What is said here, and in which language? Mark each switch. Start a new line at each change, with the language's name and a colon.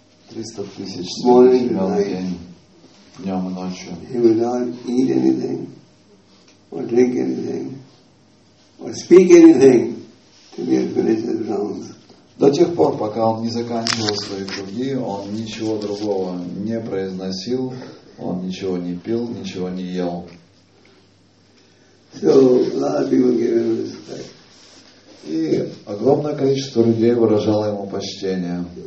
Russian: 300 тысяч святых имен в день, днем и ночью.
English: He would not eat anything, or drink anything, or speak anything to be finished his rounds.
Russian: До тех пор, пока он не заканчивал свои круги, он ничего другого не произносил, он ничего не пил, ничего не ел. И огромное количество людей выражало ему почтение.